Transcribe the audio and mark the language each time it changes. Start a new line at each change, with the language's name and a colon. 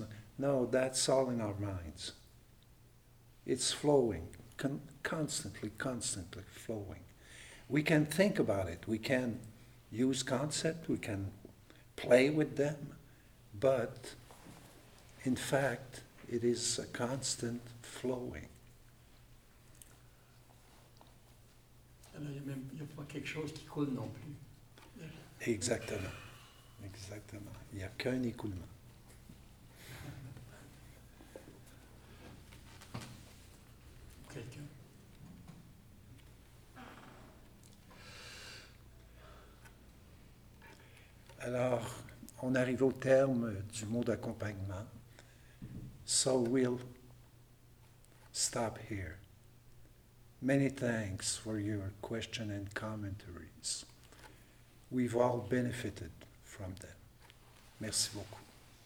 English: And no, that's all in our minds. It's flowing, constantly flowing. We can think about it. We can use concept. We can play with them. But in fact, it is a constant flowing.
French: Il n'y a pas quelque chose qui coule non plus. Exactement. Il n'y a qu'un écoulement. Quelqu'un? Alors, on arrive au terme du mot d'accompagnement.
English: So we'll stop here. Many thanks for your question and commentaries. We've all benefited from them.
French: Merci beaucoup.